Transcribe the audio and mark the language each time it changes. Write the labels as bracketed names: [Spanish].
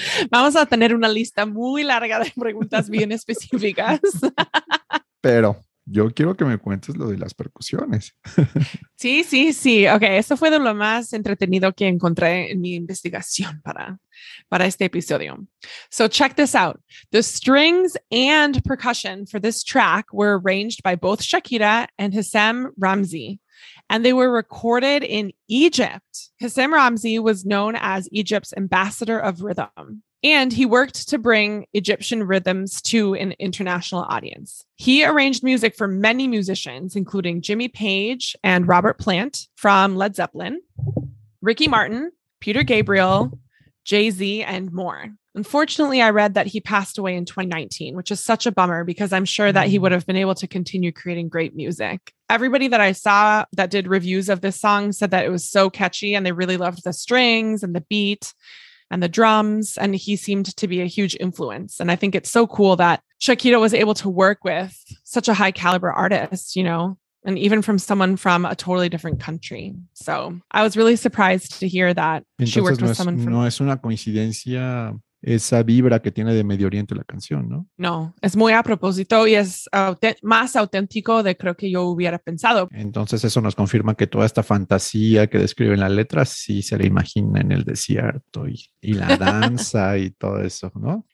[Spanish] Vamos a tener una lista muy larga de preguntas bien específicas. Pero yo quiero que me cuentes lo de las percusiones. Sí. Ok, eso fue de lo más entretenido que encontré en mi investigación para este episodio. [English] So check this out. The strings and percussion for this track were arranged by both Shakira and Hissam Ramzi, and they were recorded in Egypt. Hissam Ramzi was known as Egypt's ambassador of rhythm, and he worked to bring Egyptian rhythms to an international audience. He arranged music for many musicians, including Jimmy Page and Robert Plant from Led Zeppelin, Ricky Martin, Peter Gabriel, Jay-Z, and more. Unfortunately, I read that he passed away in 2019, which is such a bummer because I'm sure that he would have been able to continue creating great music. Everybody that I saw that did reviews of this song said that it was so catchy and they really loved the strings and the beat and the drums, and he seemed to be a huge influence. And I think it's so cool that Shakira was able to work with such a high caliber artist, you know, and even from someone from a totally different country. So I was really surprised to hear that. [Spanish] Entonces, [English] she worked with someone [Spanish] from... No es una coincidencia esa vibra que tiene de Medio Oriente la canción, ¿no? No, es muy a propósito y es más auténtico de creo que yo hubiera pensado. Entonces eso nos confirma que toda esta fantasía que describe en la letra sí se la imagina en el desierto y la danza y todo eso, ¿no?